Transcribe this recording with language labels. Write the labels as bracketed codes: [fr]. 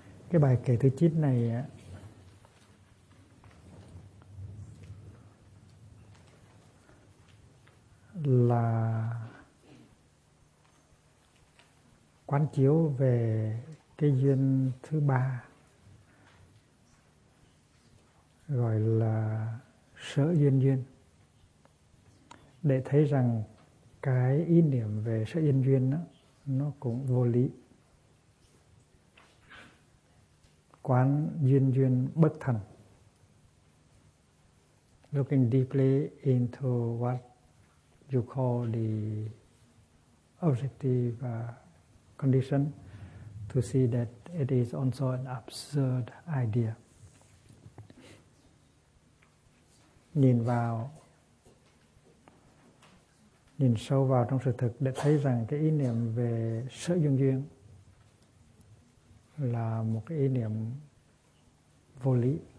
[vi] Cái bài kệ thứ 9 này á, là quán chiếu về cái duyên thứ ba, gọi là sở duyên duyên, để thấy rằng cái ý niệm về sở duyên duyên đó, nó cũng vô lý. Quán duyên duyên bất thành. [en] Looking deeply into what you call the objective condition to see that it is also an absurd idea. [vi] Nhìn sâu vào trong sự thực để thấy rằng cái ý niệm về sở duyên duyên là một cái ý niệm vô lý.